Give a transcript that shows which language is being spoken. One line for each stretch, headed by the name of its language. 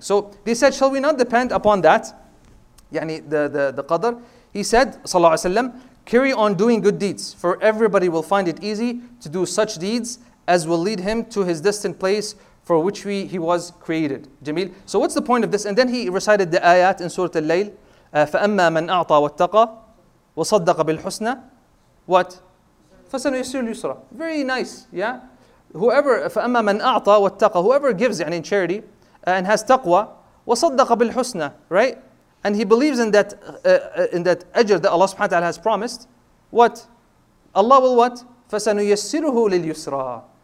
English: So they said, shall we not depend upon that? Yani the qadr. He said, sallallahu alayhi wa sallam, carry on doing good deeds, for everybody will find it easy to do such deeds as will lead him to his destined place for which he was created. Jameel. So what's the point of this? And then he recited the ayat in Surah Al-Layl.
Arabic: فَأَمَّا مَنْ أَعْطَى وَاتَّقَى وَصَدَّقَ بِالْحُسْنَى What? فَسَنُيَسِرُ الْيُسْرَى.
English: Very nice, yeah? Whoever,
Arabic: فَأَمَّا مَنْ أَعْطَى وَاتَّقَى,
English: whoever gives in charity and has taqwa,
Arabic: وَصَدَّقَ بِالْحُسْنَى,
English: right? And he believes in that ajr that Allah subhanahu wa ta'ala has promised. What? Allah will what?
Arabic: فَسَنُيَسِّرُهُ لِلْيُسْرَى.